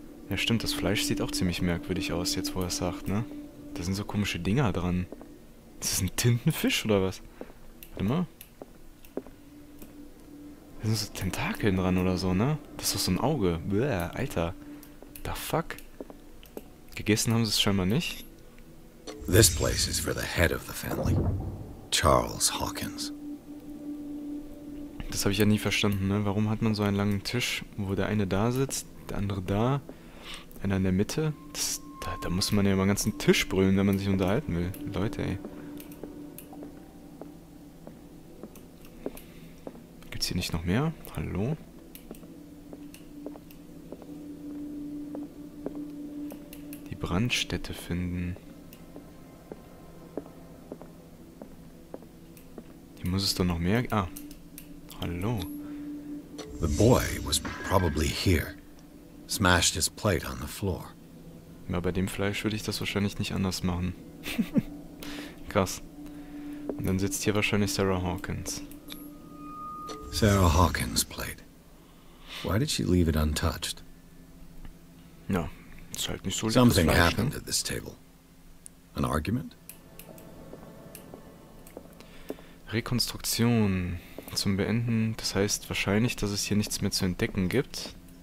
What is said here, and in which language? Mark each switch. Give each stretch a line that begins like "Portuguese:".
German: Ja, stimmt, das Fleisch sieht auch ziemlich merkwürdig aus, jetzt wo er es sagt, ne? Da sind so komische Dinger dran. Ist das ein Tintenfisch, oder was? Warte mal. Da sind so Tentakeln dran oder so, ne? Das ist doch so ein Auge. Bäh, Alter.
English: The fuck?
German: Gegessen haben sie es scheinbar nicht.
English: This place is for the head of the family. Charles Hawkins.
German: Das habe ich ja nie verstanden, ne? Warum hat man so einen langen Tisch, wo der eine da sitzt, der andere da, einer in der Mitte? Da muss man ja über den ganzen Tisch brüllen, wenn man sich unterhalten will. Leute, ey. Hier nicht noch mehr? Hallo? Die Brandstätte finden. Hier muss es doch noch mehr. Ah. Hallo.
English: The boy was probably here. Smashed his plate on the floor.
German: Ja, bei dem Fleisch würde ich das wahrscheinlich nicht anders machen. Krass. Und dann sitzt hier wahrscheinlich Sarah Hawkins.
English: Sarah Hawkins played. Why did she leave it untouched? No, it's
German: halt nicht so.
English: Something happened at this table. An argument?
German: Rekonstruktion zum Beenden. Das heißt wahrscheinlich, dass es hier nichts mehr zu entdecken gibt.